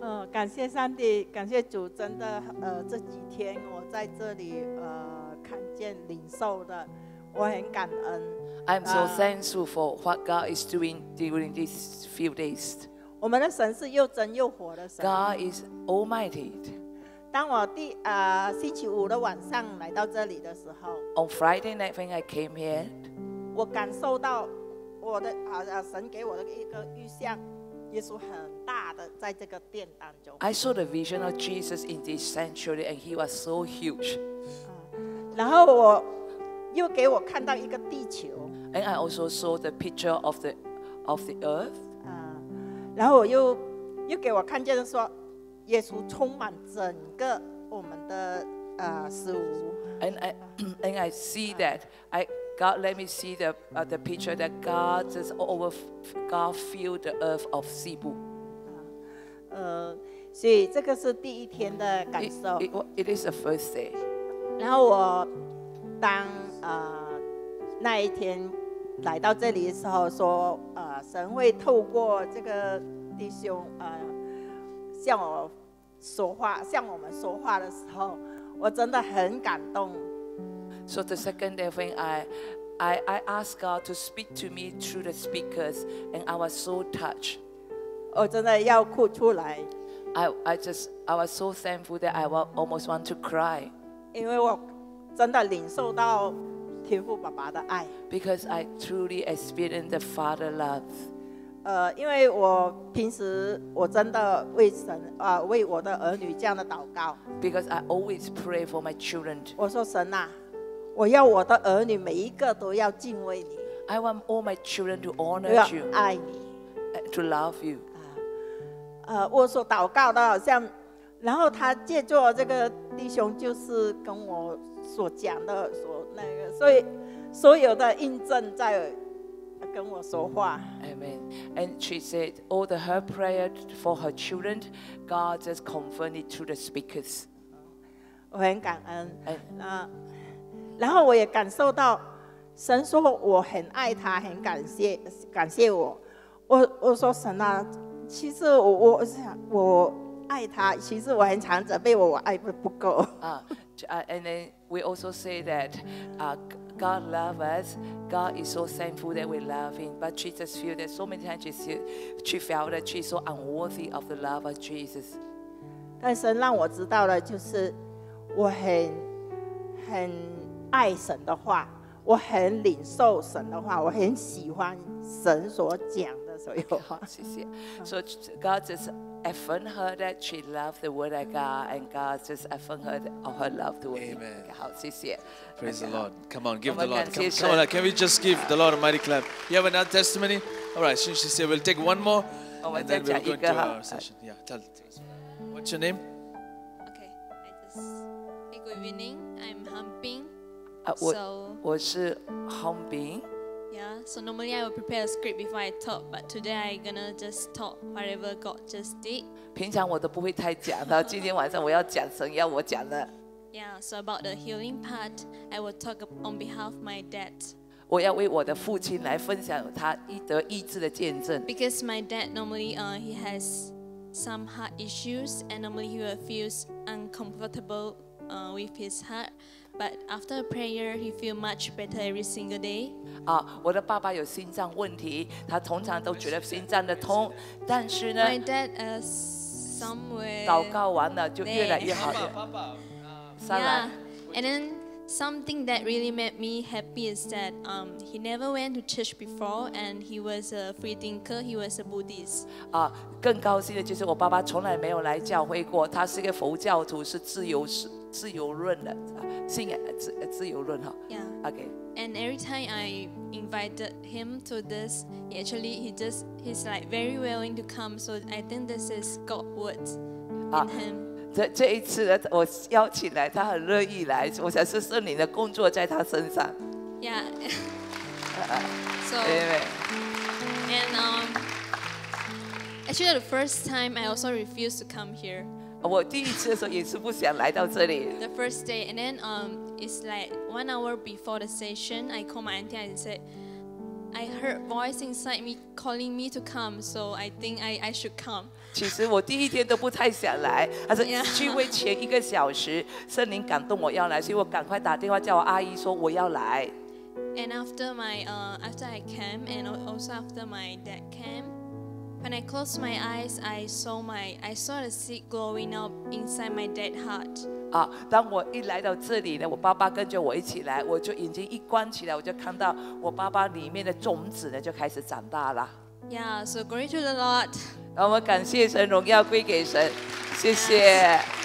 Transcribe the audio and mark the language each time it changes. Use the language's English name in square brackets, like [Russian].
[Chinese] 感谢上帝，感谢主，真的，这几天我在这里，看见领受的。 [English] I'm so thankful for what God is doing during these few days. God is almighty. God [Chinese] 当我第星期五的晚上来到这里的时候 [English] ，On Friday night when I came here， [Chinese] 我感受到我的神给我的一个预象，耶稣很大的在这个殿当中。 [English] I saw the vision of Jesus in this sanctuary, and he was so huge. [Chinese] 然后我又给我看到一个地球。 [English] And I also saw the picture of the earth. [Chinese] 然后我又给我看见说。耶稣充满整个我们的事物。 [English] And I see that I God let me see the picture that God just over God filled the earth of Cebu. [Chinese] 所以这个是第一天的感受。 [English] It is the first day. [Chinese] 然后我当那一天来到这里的时候说，神会透过这个弟兄向我。说话向我们说话的时候，我真的很感动。 [English] So the second day when I asked God to speak to me through the speakers, and I was so touched. [Chinese] 我真的要哭出来。 [English] I was so thankful that I almost want to cry. [Chinese] 因为我真的领受到天父爸爸的爱。 [English] Because I truly experienced the Father love. [Chinese] 因为我平时我真的为神为我的儿女这样的祷告。 [English] Because I always pray for my children. [Chinese] 我说神啊，我要我的儿女每一个都要敬畏你。 [English] I want all my children to honor you. [Chinese] 爱你。 [English] To love you. [Chinese] 我所祷告的好像，然后他借助这个弟兄就是跟我所讲的所那个，所以所有的印证在。跟我说话。 [English] Amen. And she said all the her prayer for her children, God just confirmed it to the speakers. [Chinese] 我很感恩。然后我也感受到神说我很爱他，很感谢我。我说神啊，其实我爱他，其实我很常责备我爱不够。 [English] And then we also say that, God loves us. God is so thankful that we love Him. But she just feels that so many times she felt that she's so unworthy of the love of Jesus. [Chinese] 但神让我知道了，就是我很爱神的话，我很领受神的话，我很喜欢神所讲的所有话。谢谢。 [English] So God just affirmed her that she loved the word of God, and God just affirmed her of her love to him. Amen. [Chinese] 好，谢谢。 [English] Praise the Lord. Come on, give the Lord. Come on, can we just give the Lord a mighty clap? You have another testimony? All right, since she said, we'll take one more, and then we'll go into our session. Yeah, tell it to us. What's your name? Okay, hey, good evening. I'm Hanbing. Yeah, so normally I will prepare a script before I talk, but today I'm gonna just talk whatever God just did. [Chinese] 平常我都不会太讲的，今天晚上我要讲神要我讲的。 [English] Yeah, so about the healing part, I will talk on behalf of my dad. [Chinese] 我要为我的父亲来分享他得医治的见证。 [English] Because my dad normally, he has some heart issues, and normally he will feel uncomfortable, with his heart. But after prayer, he feels much better every single day. [Chinese] 我的爸爸有心脏问题，他通常都觉得心脏的痛，但是呢 [English] ，My dad is somewhere. [Chinese] 祷告完了就越来越好了。 [English] Yeah, and then something that really made me happy is that he never went to church before, and he was a free thinker. He was a Buddhist. [Chinese] 更高兴的就是我爸爸从来没有来教会过，他是一个佛教徒，是自由式。自由论的信仰自由论哈。 [English] Yeah. Okay. And every time I invited him to this, actually he's like very willing to come. So I think this is God's words in him. [Chinese] 这一次我邀请来，他很乐意来。我想是圣灵的工作在他身上。 [English] Yeah. So. Amen. And actually the first time I also refused to come here. [Chinese] 我第一次的时候也是不想来到这里。 [English] The first day, and then it's like 1 hour before the session, I called my auntie and said, I heard voice inside me calling me to come, so I think I should come. [Chinese] 其实我第一天都不太想来，但是聚会前一个小时，圣灵感动我要来，所以我赶快打电话叫我阿姨说我要来。 [English] And after I came, and also after my dad came, When I closed my eyes, I saw the seed glowing up inside my dead heart. [Chinese] 啊，当我一来到这里呢，我爸爸跟着我一起来，我就眼睛一关起来，我就看到我爸爸里面的种子呢就开始长大了。 [English] Yeah, so glory to the Lord. [Chinese] 让我们感谢神，荣耀归给神，谢谢。